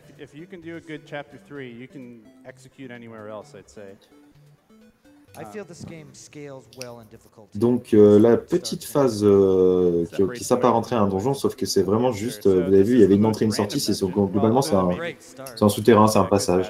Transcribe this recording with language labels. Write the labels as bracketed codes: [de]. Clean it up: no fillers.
[fr] Si vous pouvez faire un bon chapitre 3, vous pouvez exécuter [en] anywhere else, I'd say. I feel this game scales well in difficulty. [fr] Donc la petite phase qui s'apparenterait à un donjon, sauf que c'est vraiment juste, vous avez vu, il y avait une entrée et une sortie, c'est sur, globalement c'est un souterrain, c'est un passage.